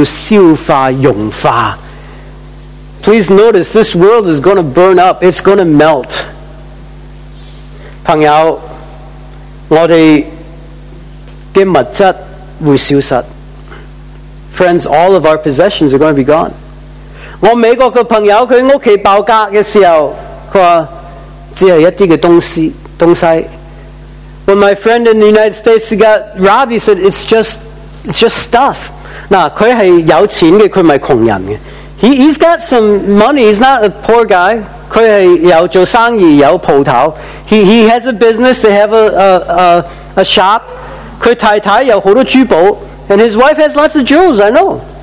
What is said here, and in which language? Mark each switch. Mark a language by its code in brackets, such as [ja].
[zh] 請留意,這個世界要燒化融化。 [en] Please notice, this world is going to burn up. It's going to melt. [zh] 朋友, 我们的物质会消失。 [en] Friends, all of our possessions are going to be gone. [zh] 我美国的朋友,他家里爆炸的时候, 他说,只是一些东西。 [en] When my friend in the United States got robbed, he said, it's just stuff. [zh] 他是有钱的,他不是穷人的。 [en] He's got some money, he's not a poor guy. [zh] 他是有做生意,有店頭。 [en] He has a business, they have a shop. [zh] 他太太有很多珠寶。 [en] And his wife has lots of jewels, I know.